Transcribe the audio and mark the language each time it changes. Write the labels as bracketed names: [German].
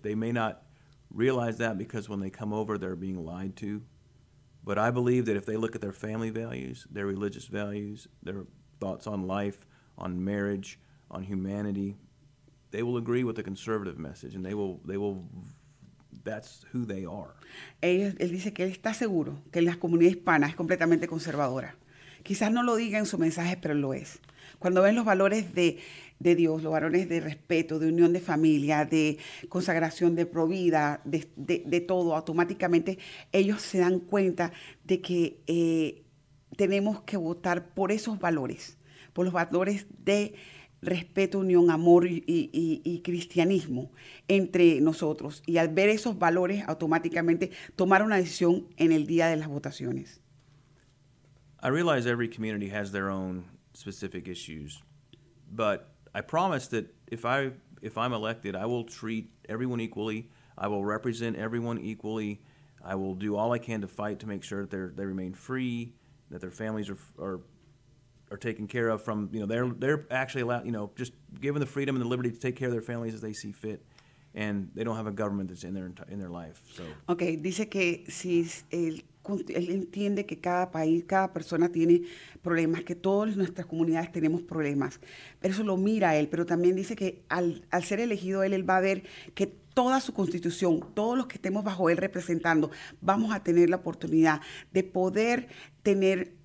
[English] They may not realize that because when they come over, they're being lied to. But I believe that if they look at their family values, their religious values, their thoughts on life, on marriage, on humanity, they will agree with the conservative message, and they will. That's who they are. [Spanish] Él dice que él está seguro que la comunidad hispana es completamente conservadora. Quizás no lo diga en su mensaje, pero lo es. Cuando ven los valores de Dios, los valores de respeto, de unión de familia, de consagración, de provida, de todo, automáticamente ellos se dan cuenta de que tenemos que votar por esos valores, por los valores de respeto, unión, amor y cristianismo entre nosotros. Y al ver esos valores, automáticamente tomar una decisión en el día de las votaciones. [English] I realize every community has their own specific issues, but I promise that if I'm elected, I will treat everyone equally. I will represent everyone equally. I will do all I can to fight to make sure that they remain free, that their families are taken care of from, you know, they're actually allowed, you know, just given the freedom and the liberty to take care of their families as they see fit. And they don't have a government that's in their life. So. [Spanish] Okay, dice que si él entiende que cada país, cada persona tiene problemas, que todas nuestras comunidades tenemos problemas. Pero eso lo mira él. Pero también dice que al ser elegido él va a ver que toda su constitución, todos los que estemos bajo él representando, vamos a tener la oportunidad de poder tener